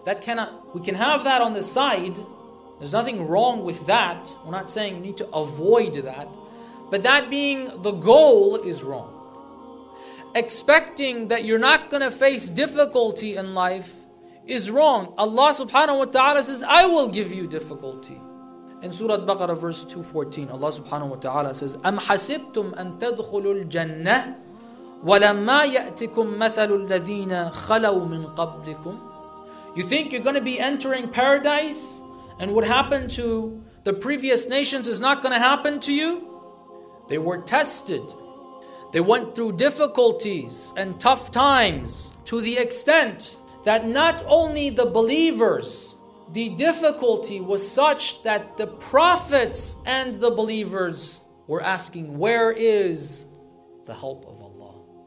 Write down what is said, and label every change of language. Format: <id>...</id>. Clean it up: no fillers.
<en>We can have that on the side. There's nothing wrong with that. We're not saying you need to avoid that. But that being the goal is wrong. Expecting that you're not going to face difficulty in life is wrong. Allah subhanahu wa ta'ala says, I will give you difficulty. In Surah Baqarah verse 214, Allah subhanahu wa ta'ala says,</en> <ar>أَمْ حَسِبْتُمْ أَن تَدْخُلُوا الْجَنَّةِ وَلَمَّا يَأْتِكُمْ مَثَلُ الَّذِينَ خَلَوْا مِن قَبْلِكُمْ.</ar> <en>You think you're going to be entering paradise and what happened to the previous nations is not going to happen to you? They were tested. They went through difficulties and tough times to the extent that not only the believers, the difficulty was such that the prophets and the believers were asking, where is the help of Allah?</en>